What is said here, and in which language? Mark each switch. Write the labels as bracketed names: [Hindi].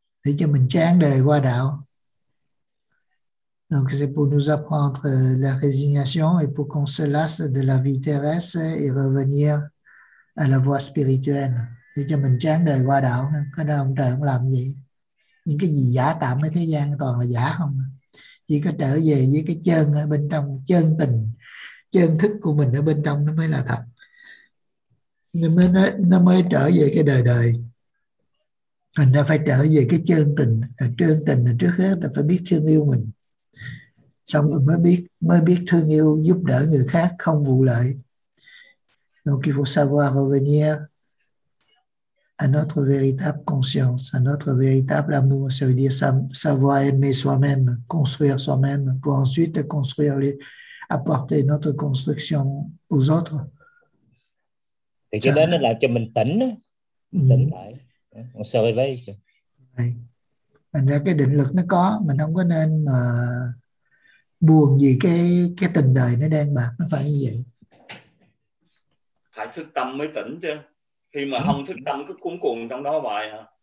[Vietnamese] Để cho mình chán đời qua đạo. [French] Donc c'est pour nous apprendre la résignation et pour qu'on se lasse de la vie terrestre et revenir à la voie spirituelle. [Vietnamese] Để cho mình chán đời qua đạo. Cái đó ông trời không làm gì. Những cái gì giả tạm ở thế gian toàn là giả không. Chỉ có trở về với cái chân ở bên trong, chân tình, chân thức của mình ở bên trong nó mới là thật. Nó mới trở về cái đời đời. Mình phải trở về cái chân tình, là trước hết là phải biết thương yêu mình. xong rồi mới biết thương yêu, giúp đỡ người khác không vụ lợi. [French] Donc il faut savoir revenir à notre véritable conscience, à notre véritable amour. Ça veut dire savoir aimer soi-même, construire soi-même, pour ensuite construire, apporter notre construction aux autres. [Vietnamese] Et cái đó nó làm cho mình tỉnh lại, [French] on se réveille. Oui. [Vietnamese] Thành ra cái định lực nó có, mình không có nên mà buồn vì cái tình đời nó đang bạc, nó phải như vậy. Phải thức tâm mới tỉnh chứ. Khi mà không thức tâm cứ cuốn cuồng trong đó vậy hả?